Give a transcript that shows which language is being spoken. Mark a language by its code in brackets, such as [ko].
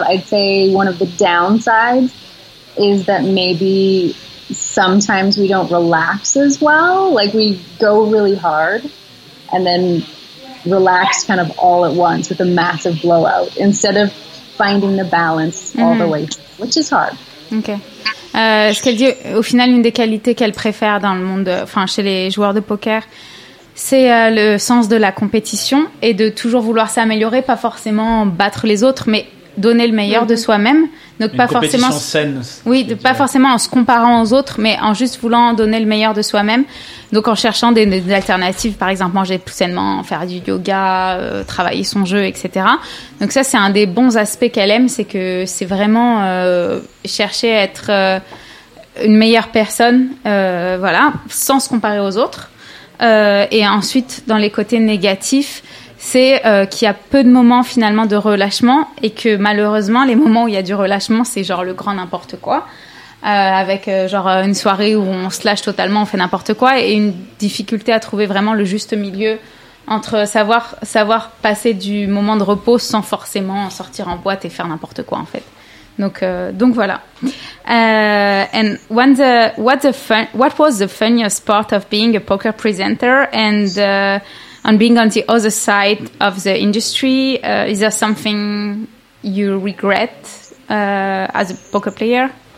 [en] I'd say one of the downsides is that maybe sometimes we don't relax as well. Like we go really hard and then relaxed kind of all at once with a massive blowout instead of finding the balance all the way, which is hard. Okay. [fr] Ce qu'elle dit, au final, une des qualités qu'elle préfère dans le monde, enfin chez les joueurs de poker, c'est le sens de la compétition et de toujours vouloir s'améliorer, pas forcément battre les autres, mais donner le meilleur de soi-même. Donc, une pas forcément. Une compétition saine. Oui, de, pas forcément en se comparant aux autres, mais en juste voulant donner le meilleur de soi-même. Donc, en cherchant des alternatives, par exemple, manger plus sainement, faire du yoga, travailler son jeu, etc. Donc, ça, c'est un des bons aspects qu'elle aime, c'est que c'est vraiment chercher à être une meilleure personne, voilà, sans se comparer aux autres. Et ensuite, dans les côtés négatifs, c'est qu'il y a peu de moments finalement de relâchement et que malheureusement, les moments où il y a du relâchement, c'est genre le grand n'importe quoi, avec genre une soirée où on se lâche totalement, on fait n'importe quoi, et une difficulté à trouver vraiment le juste milieu entre savoir passer du moment de repos sans forcément sortir en boîte et faire n'importe quoi en fait. Donc voilà. [en] And when the what was the funniest part of being a poker presenter and on being on the other side of the industry, is there something you regret as a poker player?